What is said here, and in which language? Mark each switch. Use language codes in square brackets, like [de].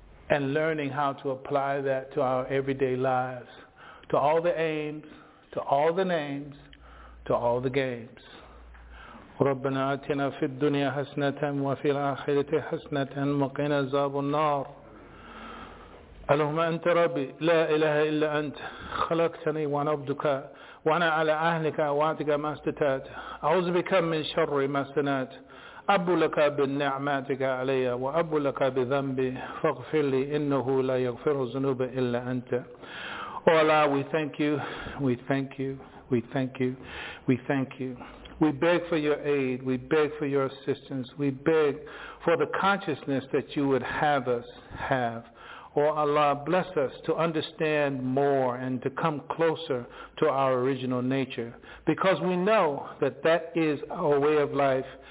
[en] and learning how to apply that to our everyday lives, to all the aims, to all the names, to all the games. [ar] ربنا آتنا في الدنيا حسنة وفي الآخرة حسنة وقنا عذاب النار اللهم أنت ربي لا إله إلا أنت خلقتني وأنا عبدك وأنا على أهلك وعدك ما استطعت أعوذ بك من شر ما صنعت أبو لك بنعمتك علي وأبو لك بذنبي فاغفر لي إنه لا يغفر الذنوب إلا أنت [en] Allah, we thank you, we thank you, we thank you, we thank you. We beg for your aid. We beg for your assistance. We beg for the consciousness that you would have us have. Oh Allah, bless us to understand more and to come closer to our original nature, because we know that that is our way of life.